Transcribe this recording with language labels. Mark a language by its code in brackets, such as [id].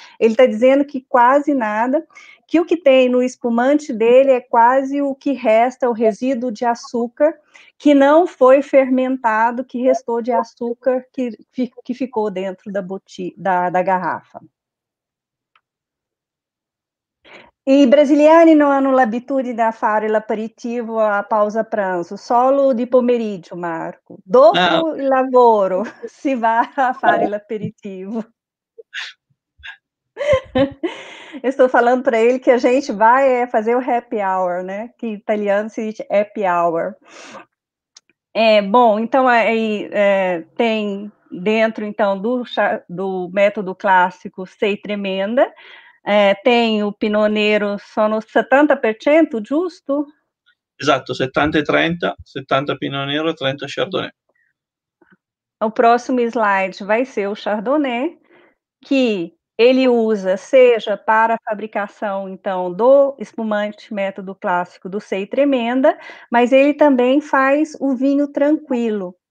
[pt] Ele está dizendo que quase nada, que o que tem no espumante dele é quase o que resta, o resíduo de açúcar que não foi fermentado, que restou de açúcar que ficou dentro da garrafa. [it] I brasiliani non hanno l'abitudine di fare l'aperitivo a pausa pranzo, solo di pomeriggio, Marco. Ah. Dopo il lavoro si va a fare l'aperitivo. [pt] Estou falando para ele que a gente vai fazer o happy hour, né? Que em italiano se diz happy hour. É bom, então aí tem dentro então do método clássico Sei Tremenda. Tem o Pinot Nero, [it] sono 70%, giusto? Esatto, 70 e 30, 70 Pinot Nero, 30 Chardonnay. [pt] O próximo slide vai ser o Chardonnay, que ele usa seja para a fabricação então do espumante método clássico do Sei Tremenda, mas ele também faz o vinho tranquilo.